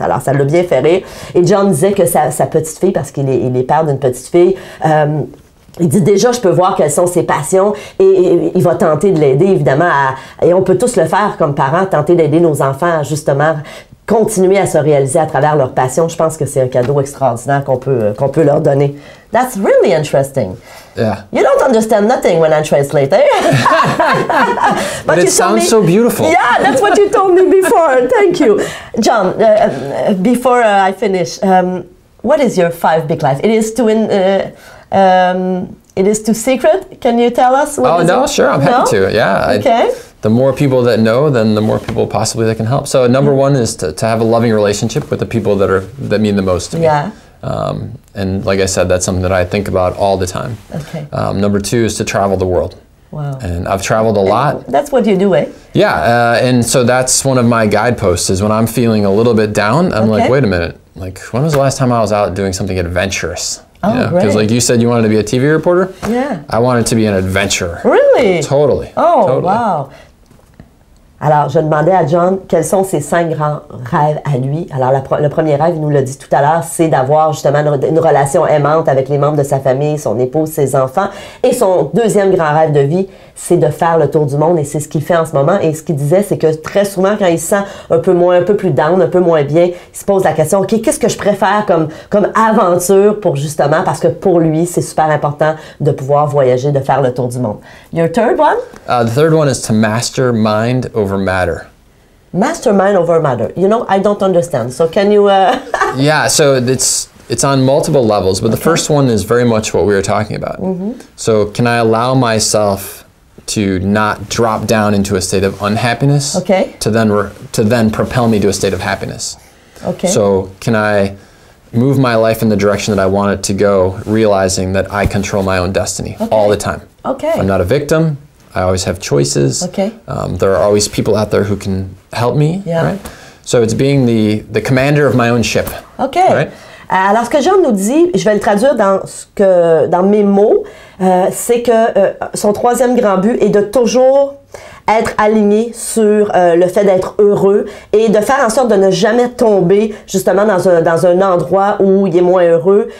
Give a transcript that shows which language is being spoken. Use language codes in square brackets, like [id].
[fr] Alors ça l'a bien fait rire. Et John disait que sa petite fille, parce qu'il est, père d'une petite fille, il dit déjà, je peux voir quelles sont ses passions et il va tenter de l'aider, évidemment. Et on peut tous le faire comme parents, tenter d'aider nos enfants à justement continuer à se réaliser à travers leur passion. Je pense que c'est un cadeau extraordinaire qu'on peut leur donner. [en] That's really interesting. Yeah. You don't understand nothing when I translate, eh? But it sounds so beautiful. Yeah, that's what you told me before. Thank you. John, before I finish, what is your 5 big life? It is to win... it is too secret. Can you tell us? Happy to. Yeah. Okay. The more people that know, then the more people possibly that can help. So number one is to have a loving relationship with the people that mean the most to me. Yeah. And like I said, that's something that I think about all the time. Okay. Number two is to travel the world. Wow. And I've traveled a lot. That's what you do, eh? Yeah. And so that's one of my guideposts is when I'm feeling a little bit down, like, wait a minute. Like, when was the last time I was out doing something adventurous? Because like you said, you wanted to be a TV reporter. Yeah. I wanted to be an adventurer. Really? Totally. Oh, totally. Wow. [fr] Alors, je demandais à John quels sont ses 5 grands rêves à lui. Alors, le premier rêve, il nous l'a dit tout à l'heure, c'est d'avoir justement une relation aimante avec les membres de sa famille, son épouse, ses enfants. Et son deuxième grand rêve de vie, c'est de faire le tour du monde. Et c'est ce qu'il fait en ce moment. Et ce qu'il disait, c'est que très souvent, quand il se sent un peu plus down, un peu moins bien, il se pose la question, OK, qu'est-ce que je préfère comme aventure pour justement, parce que pour lui, c'est super important de pouvoir voyager, de faire le tour du monde. [en] Your third one? The third one is to master mind over matter. Mastermind over matter. You know, I don't understand. So can you... so it's on multiple levels, but the first one is very much what we were talking about. Mm-hmm. So can I allow myself to not drop down into a state of unhappiness, okay, to then propel me to a state of happiness. Okay. So can I move my life in the direction that I want it to go, realizing that I control my own destiny, okay, all the time? Okay. I'm not a victim. I always have choices. Okay. There are always people out there who can help me. Yeah. Right? So it's being the commander of my own ship. Okay. Right? [fr] Alors, ce que Jean nous dit, je vais le traduire dans mes mots, c'est que son troisième grand but est de toujours être aligné sur le fait d'être heureux et de faire en sorte de ne jamais tomber justement dans un endroit où il est moins heureux.